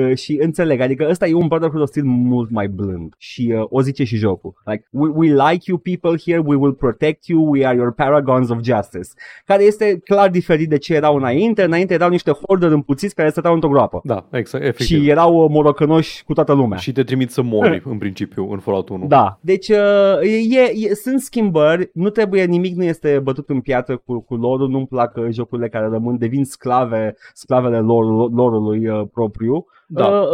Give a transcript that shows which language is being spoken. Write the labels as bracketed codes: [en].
[ro] Și înțeleg, adică ăsta e un Brotherhood of Steel mult mai blând. Și o zice și jocul. [en] Like, we like you people here, we will protect you, we are your paragons of justice. [ro] Care este clar diferit de ce erau înainte erau niște hoarder împuțiți care stăteau într-o groapă. Da, exact, efectiv. Și erau morocănoși cu toată lumea. Și te trimit să mori, în principiu, în Fallout 1. Da, deci sunt schimbări, nu trebuie nimic, nu este bătut în piatră cu lorul, nu-mi plac jocurile care devin sclavele lorului propriu. Da.